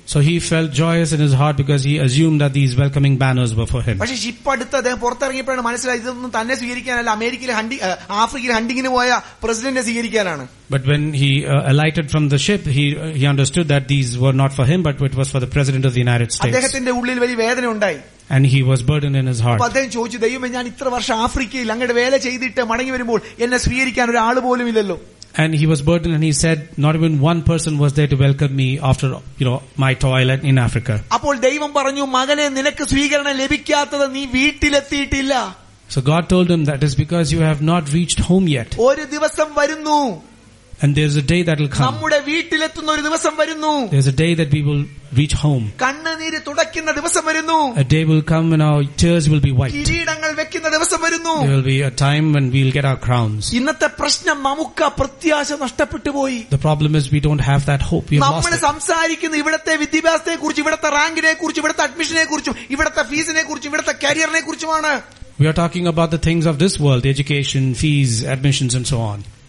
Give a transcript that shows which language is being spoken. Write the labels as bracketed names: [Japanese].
[English] So he felt joyous in his heart because he assumed that these welcoming banners were for him. [Malayalam] പക്ഷേ ship അടുത്ത് അദ്ദേഹം പുറത്തിറങ്ങിയപ്പോഴാണ് മനസ്സിലായത്, ഇതൊന്നും തന്നെ സ്വീകരിക്കാനല്ല, അമേരിക്കയിലെ ഹണ്ടിങ് ആഫ്രിക്കയിലെ ഹണ്ടിങ്ങിന് പോയ പ്രസിഡന്റിനെ സ്വീകരിക്കാനാണ്. [English] But when he alighted from the ship, he understood that these were not for him, but it was for the President of the United States. [Malayalam] അദ്ദേഹത്തിന്റെ ഉള്ളിൽ വലിയ വേദന ഉണ്ടായി. [English] And he was burdened in his heart. [Malayalam] അപ്പോൾ അദ്ദേഹം ചോദിച്ചു, ദൈവമേ, ഞാൻ ഇത്ര വർഷം ആഫ്രിക്കയിൽ അങ്ങട് വേല ചെയ്തിട്ട് മടങ്ങി വരുമ്പോൾ എന്നെ സ്വീകരിക്കാൻ ഒരാൾ പോലും ഇല്ലല്ലോ. [English] And he was burdened and he said, not even one person was there to welcome me after, you know, my toil in Africa. [Malayalam] അപ്പോൾ ദൈവം പറഞ്ഞു, മകനെ, നിനക്ക് സ്വീകരണം ലഭിക്കാത്തത് നീ വീട്ടിലെത്തിയിട്ടില്ല. [English] So God told him that is because you have not reached home yet. [Malayalam] ഒരു ദിവസം വരുന്നു. [English] And there's a day that will come. [Malayalam] നമ്മുടെ വീട്ടിലെത്തുന്ന ഒരു ദിവസം വരുന്നു. [English] There's a day that we will reach home. [Malayalam] കണ്ണുനീര് തുടയ്ക്കുന്ന ദിവസം വരുന്നു. [English] A day will come when our tears will be wiped. [Malayalam] കിരീടങ്ങൾ വെക്കുന്ന ദിവസം വരുന്നു. [English] There will be a time when we'll get our crowns. [Malayalam] ഇന്നത്തെ പ്രശ്നം നമുക്ക് പ്രത്യാശ നഷ്ടപ്പെട്ടു പോയി. [English] The problem is we don't have that hope. We've lost it. [Malayalam] നമ്മൾ സംസാരിക്കുന്ന ഇവിടത്തെ വിദ്യാഭ്യാസത്തെ കുറിച്ച്, ഇവിടത്തെ റാങ്കിനെ കുറിച്ച്, ഇവിടത്തെ അഡ്മിഷനെ കുറിച്ചും, ഇവിടത്തെ ഫീസിനെ കുറിച്ചും, ഇവിടത്തെ കരിയറിനെ കുറിച്ചുമാണ്. [English] We are talking about the things of this world, the education, fees, admissions and so on.